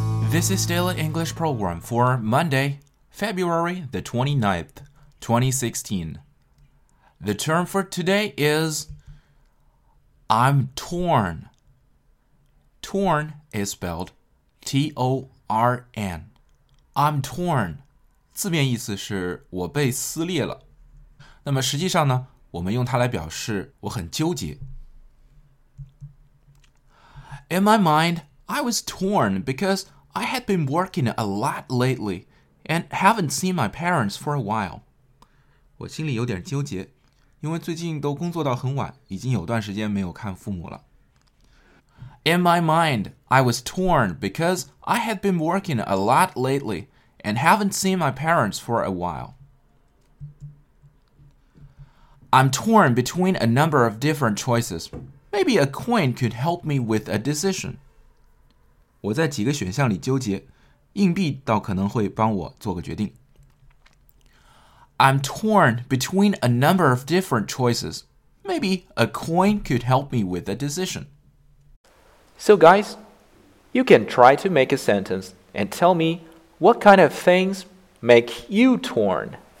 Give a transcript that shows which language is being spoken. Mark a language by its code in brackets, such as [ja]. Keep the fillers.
[en] This is Daily English Program for Monday, February the 29th, 2016. The term for today is I'm torn. Torn is spelled T O R N. [zh] I'm torn，字面意思是我被撕裂了。那么实际上呢，我们用它来表示我很纠结。 [en] In my mind, I was torn because I had been working a lot lately and haven't seen my parents for a while. [zh] 我心里有点纠结，因为最近都工作到很晚，已经有段时间没有看父母了。 [en] In my mind, I was torn because I had been working a lot lately and haven't seen my parents for a while. I'm torn between a number of different choices. Maybe a coin could help me with a decision. [zh] 我在几个选项里纠结，硬币倒可能会帮我做个决定。 [en] I'm torn between a number of different choices. Maybe a coin could help me with a decision. So, guys, you can try to make a sentence and tell me what kind of things make you torn.